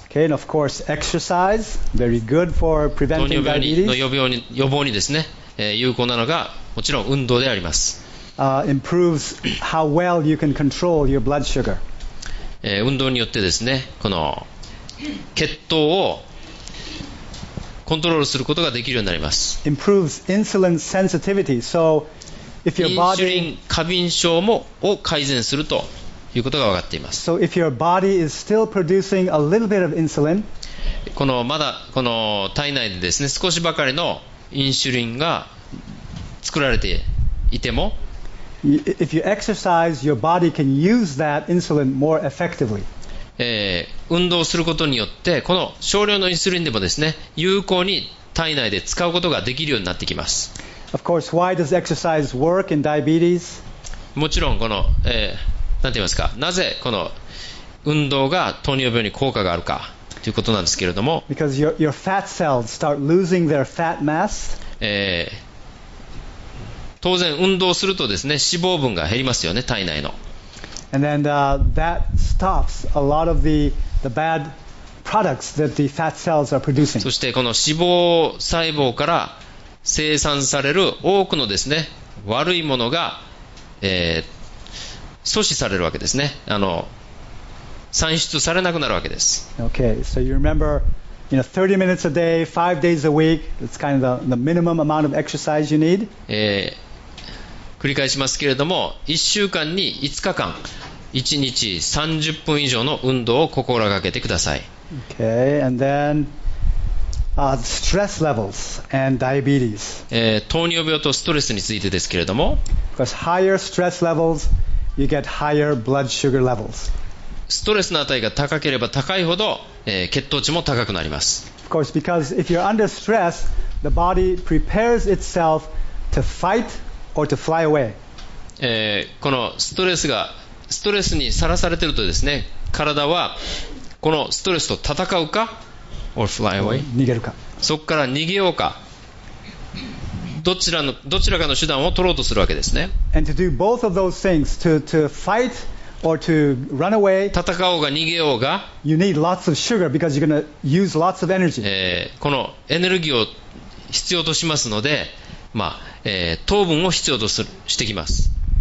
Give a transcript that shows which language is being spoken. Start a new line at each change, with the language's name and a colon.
English: Okay, and of course, exercise, very good for preventing diabetes.
Japanese: 糖尿病の予防にですね、有効なのがもちろん運動であります。
English: Improves how well you can control your blood sugar.
Japanese: 運動によってですね、この血糖をコントロールすることができるようになります。
English: Improves insulin sensitivity. So if your body
Japanese: インスリン過敏症もを改善するということが分かっています。
English: So if your body is still producing a little bit of insulin,
Japanese: このまだこの体内でですね、少しばかりのインシュリンが作られていても。
English: If you exercise, your body can use that insulin more effectively.
Japanese: 運動することによってこの少量のインスリンでもですね、有効に体内で使うことができるようになってきます。
English: Of course, why does exercise work in diabetes?
Japanese: もちろんこの、なんて言いますか、なぜこの運動が糖尿病に効果があるかということなんですけれども、
English: Because your fat cells start losing their fat mass.
Japanese: 当然運動するとですね、脂肪分が減りますよね、体内の。
English: And then, that stops a lot of the bad products that the fat cells are producing.
Japanese: そしてこの脂肪細胞から生産される多くのですね、悪いものが、阻止されるわけですね。産出されなくなるわけです。
English: Okay, so you remember, you know, 30 minutes a day, 5 days a week, that's kind of the minimum amount of exercise you need.
Japanese: 繰り返しますけれども、1週間に5日間、1日30分以上の運動を心がけてください。
English: Okay, and then, stress levels and diabetes.
Japanese: 糖尿病とストレスについてですけれども、
English: Because higher stress levels, you get higher blood sugar levels.
Japanese: ストレスの値が高ければ高いほど、血糖値も高くなります。
English: Of course, because if you're under stress, the body prepares itself to fight. Or to fly away.
Japanese: このストレスにさらされているとですね、体はこのストレスと戦うか、
English: or fly away、
Japanese: 逃げるか、そこから逃げようか、どちらかの手段を取ろうとするわけですね。
English: And to do both of those things, to fight or to run away,
Japanese: 戦おうが逃げようが、
English: you need lots of sugar because you're going to use lots of energy.
Japanese: このエネルギーを必要としますので、まあ糖分を必要としてきます。